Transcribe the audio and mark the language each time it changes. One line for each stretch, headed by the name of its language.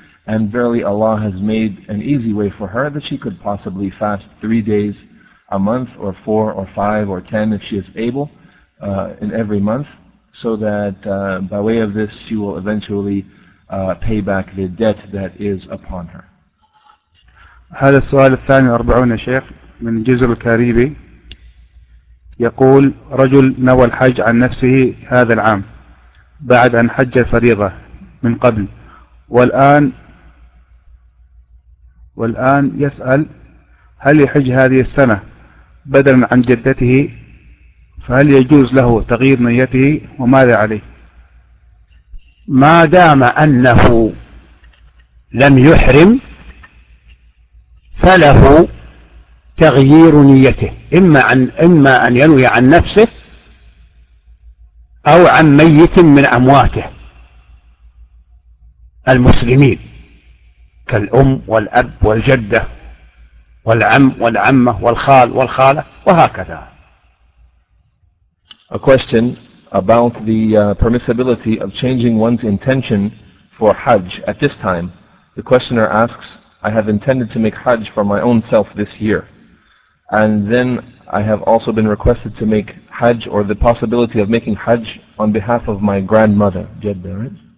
English: And verily Allah has made an easy way for her that she could possibly fast 3 days a month, or 4 or 5 or 10 if she is able, in every month, so that by way of this she will eventually pay back the debt that is upon her.
Arabic: هذا السؤال الثاني والأربعون يا شيخ من جزر الكاريبي. يقول: رجل نوى الحج عن نفسه هذا العام بعد أن حج فريضة من قبل، والآن يسأل هل يحج هذه السنة بدلا عن جدته، فهل يجوز له تغيير نيته وماذا عليه؟ ما دام أنه لم يحرم فله تغيير نيته، إما أن ينوي عن نفسه أو عن ميت من أمواته المسلمين كالأم والأب والجدة والعم والعمة والخال والخالة وهكذا.
English: A question about the permissibility of changing one's intention for Hajj at this time. The questioner asks: I have intended to make Hajj for my own self this year, and then I have also been requested to make Hajj, or the possibility of making Hajj, on behalf of my grandmother, Jeddah, right?